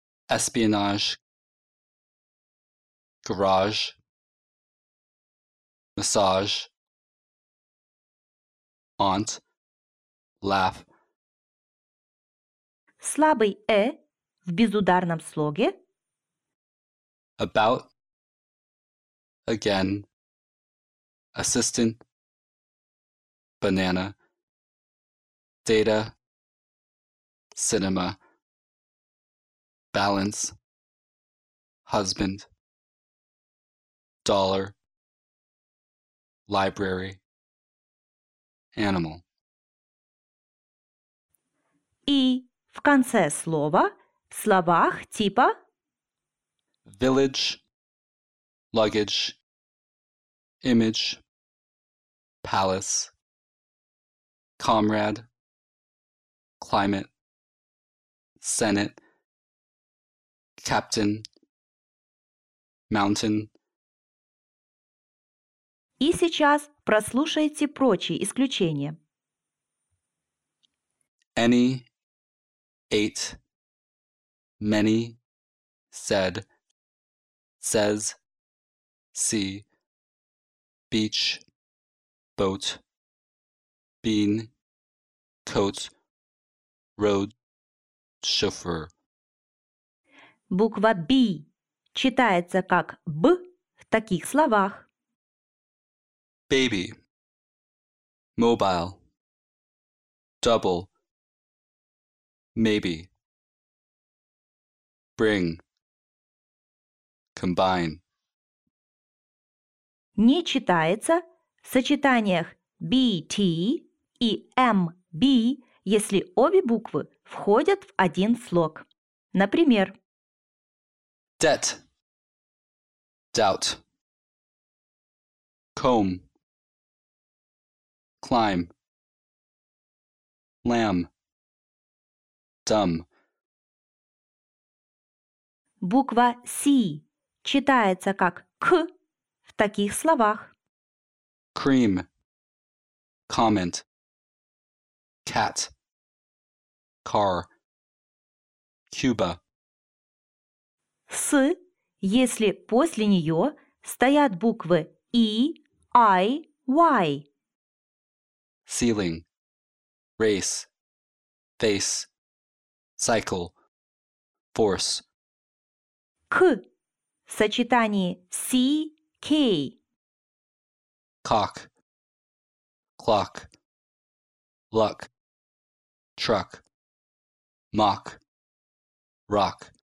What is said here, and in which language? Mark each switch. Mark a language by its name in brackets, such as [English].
[English] espionage, garage, massage, aunt, laugh. [Russian] Слабый «э» в безударном слоге. [English] About, again, assistant, banana, data, cinema, balance, husband, dollar, library, animal. [Russian] И в конце слова, в словах типа [English] village, luggage, image, palace, comrade, climate, senate, captain, mountain. [Russian] И сейчас прослушайте прочие исключения. [English] Any, ate, many, said, says, see, beach, boat, bean, coat, road, chauffeur. [Russian] Буква B читается как Б в таких словах. [English] Baby, mobile, double, maybe, bring, combine. [Russian] Не читается в сочетаниях BT и MB, если обе буквы входят в один слог. Например, [English] debt, doubt, comb, climb, lamb, dumb. [Russian] Буква C читается как К в таких словах. [English] Cream, comment, cat, car, Cuba. [Russian] С, если после нее стоят буквы E, I, Y. [English] Ceiling, race, face, cycle, force. [Russian] К в сочетании C, K. [English] Cock, clock, luck, truck, mock, rock.